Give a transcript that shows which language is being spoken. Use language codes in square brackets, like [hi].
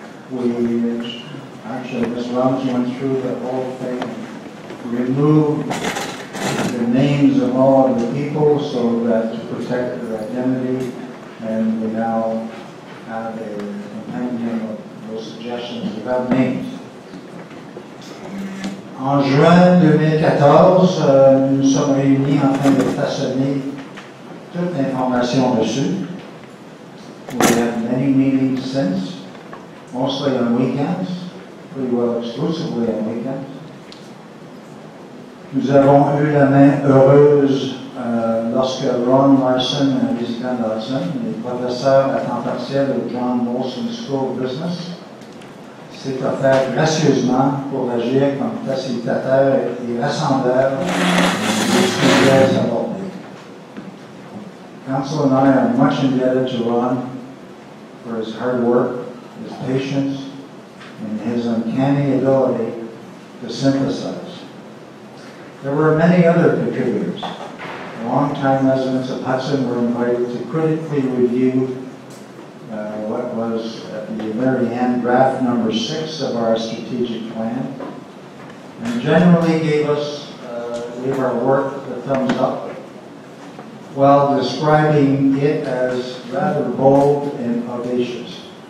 [en] Ms. Rums went through the whole thing, removed the names of all of the people so that to protect their identity, and we now have a compendium of those suggestions without names. [fr] En juin 2014, nous sommes réunis afin de façonner toute l'information dessus. [en] We have many meetings since, mostly on weekends, pretty well exclusively on weekends. [fr] Nous avons eu la main heureuse lorsque Ron Larson et Jessica Larson, les professeurs à temps partiel au John Molson School of Business, s'est offert gracieusement pour agir comme facilitateur et rassembleur des sujets abordés. [en] Council and I are much indebted to Ron for his hard work, his patience, and his uncanny ability to synthesize. There were many other contributors. Long-time residents of Hudson were invited to critically review what was at the very end draft number 6 of our strategic plan, and generally gave our work the thumbs up, while describing it as rather bold and audacious.